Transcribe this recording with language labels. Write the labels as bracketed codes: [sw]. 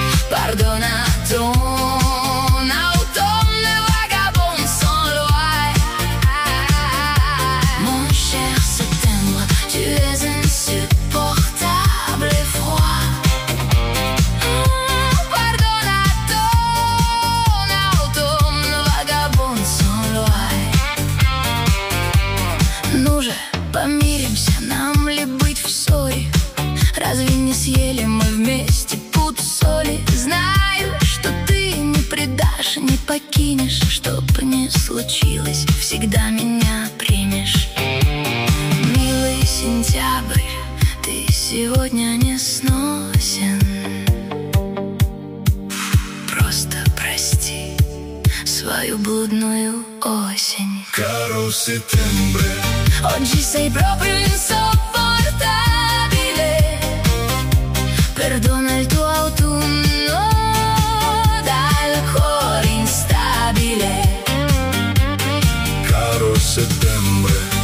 [fr] Pardonne à ton automne vagabond sans loi. Mon cher septembre, tu es insupportable et froid. Pardonne à ton automne vagabond sans loi. [ru] Ну же, помиримся, нам ли быть в ссоре? Разве не съели мы вместе пуд соли? Знаю, что ты не предашь, не покинешь. Чтоб ни случилось, всегда меня примешь. Милый сентябрь, ты сегодня не сносен. Просто прости свою блудную осень. [it] Caro settembre, oggi sei proprio insopportabile. Perdona il tuo autunno dal cuore instabile. Caro settembre,